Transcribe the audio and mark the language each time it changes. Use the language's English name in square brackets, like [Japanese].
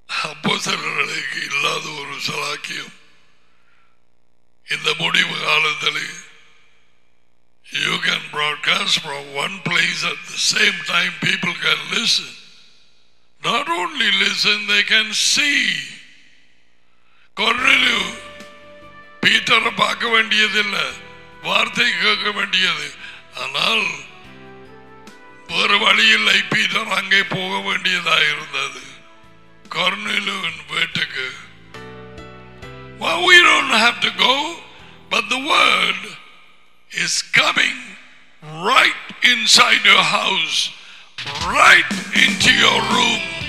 [Tamil] அப்போஸ்தலர்களுக்கு இல்லாத ஒரு சலாக்கியம் இந்த முடிவு காலத்தில், [English] you can broadcast from one place at the same time, people can listen. Not only listen, they can see. [Tamil] கொர்னேலியு பீட்டரை பார்க்க வேண்டியதில்லை, வார்த்தை கேட்க வேண்டியது. ஆனால் வேறு வழியில் ஐபீட்டர் அங்கே போக வேண்டியதா இருந்தது. கர்னிலுவின் வீட்டுக்கு [English] we don't have to go, but the word is coming right inside your house, right into your room.